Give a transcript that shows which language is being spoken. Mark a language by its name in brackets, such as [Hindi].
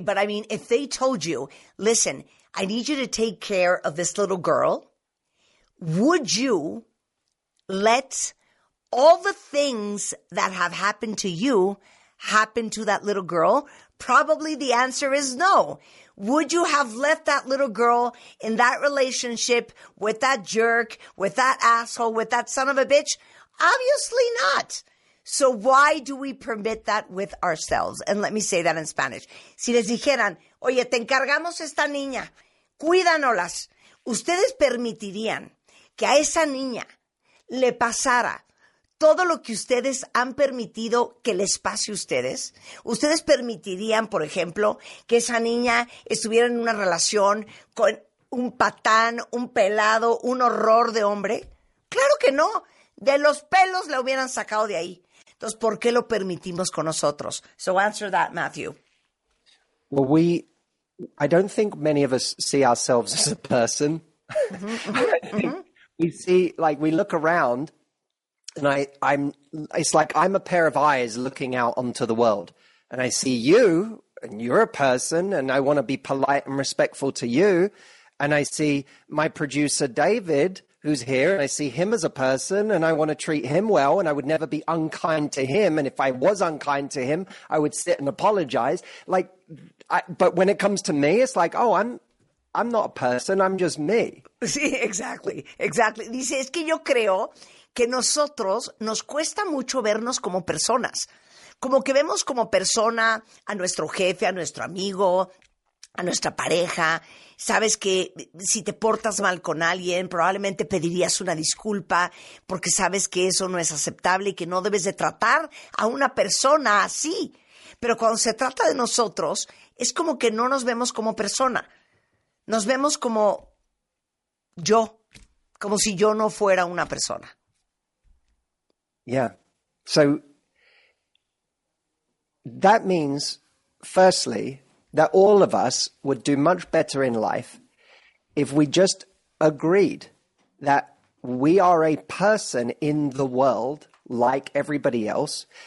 [English] But I mean, if they told you, listen, I need you to take care of this little girl, would you let all the things that have happened to you happen to that little girl? Probably the answer is no. Would you have left that little girl in that relationship with that jerk, with that asshole, with that son of a bitch? Obviously not. So why do we permit that with ourselves? And let me say that in Spanish. [Spanish] Si les dijeran, oye, te encargamos esta niña, cuídanolas, ustedes permitirían que a esa niña le pasara todo lo que ustedes han permitido que les pase a ustedes. ¿Ustedes permitirían, por ejemplo, que esa niña estuviera en una relación con un patán, un pelado, un horror de hombre? Claro que no. De los pelos la hubieran sacado de ahí. Entonces, ¿por qué lo permitimos con nosotros? [English] So answer that, Matthew. Well, I don't think many of us see ourselves as a person. We see, like, we look around, and it's like I'm a pair of eyes looking out onto the world. and I see you, and you're a person, and I want to be polite and respectful to you. And I see my producer, David, who's here, and I see him as a person, and I want to treat him well, and I would never be unkind to him. And if I was unkind to him, I would sit and apologize. Like, but when it comes to me, it's like, oh, I'm not a person, I'm just me. Sí, exactly, exactly. [Spanish] Dice, es que yo creo que nosotros nos cuesta mucho vernos como personas. Como que vemos como persona a nuestro jefe, a nuestro amigo, a nuestra pareja. Sabes que si te portas mal con alguien, probablemente pedirías una disculpa porque sabes que eso no es aceptable y que no debes de tratar a una persona así. Pero cuando se trata de nosotros, es como que no nos vemos como persona. Nos vemos como yo, como si yo no fuera una persona. [English] Yeah. So that means, firstly, that all of us would do much better in life if we just agreed that we are a person in the world like everybody else.